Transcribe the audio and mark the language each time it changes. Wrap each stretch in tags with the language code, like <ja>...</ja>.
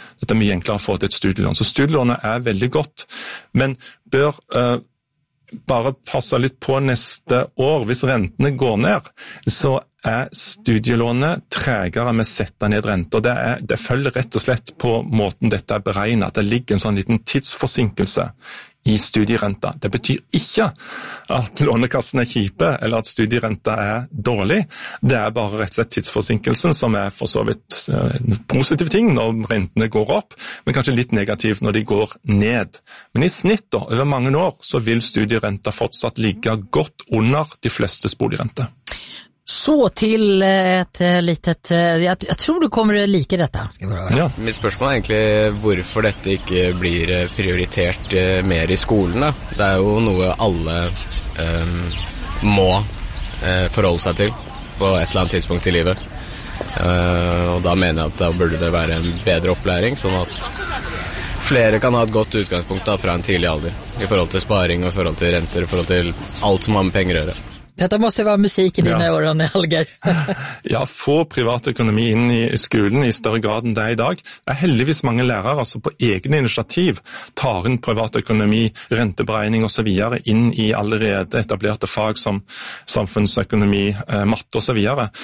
<no>Dette er mye enklere å få til et studielån. Så studielånet er veldig godt, men bør bare passe litt på neste år. Hvis rentene går ned, så er studielånet tregere med setter ned renter. Det følger rett og slett på måten dette er beregnet. Det ligger en sånn liten tidsforsinkelse i studierenta. Det betyr ikke at lånekassen er kjipe, eller at studierenta er dårlig. Det er bare rett og slett tidsforsinkelsen, som er for så vidt en positiv ting når rentene går opp, men kanskje litt negativ når de går ned. Men i snitt da, over mange år, så vil studierenta fortsatt ligge godt under de fleste boligrente. Så til et litet, jeg tror du kommer til å like dette. Ja. Mitt spørsmål egentlig hvorfor dette ikke blir prioritert mer i skolen. Da. Det jo noe alle må forholde seg til på et eller annet tidspunkt i livet. Og da mener jeg at da burde det være en bedre opplæring, sånn at flere kan ha et godt utgangspunkt da, fra en tidlig alder i forhold til sparing og i forhold til renter og i forhold til alt som har med penger å gjøre.</no> <sv>Detta måste vara musik I dina öron, Alger. Ja, få privatekonomi in I skolan I större grad än det idag. Det är heldigvis många lärare som på egen initiativ tar in privatekonomi, ränteberäkning och så vidare in I allerede etablerade fag som samhällsekonomi, matte och så vidare.</sv>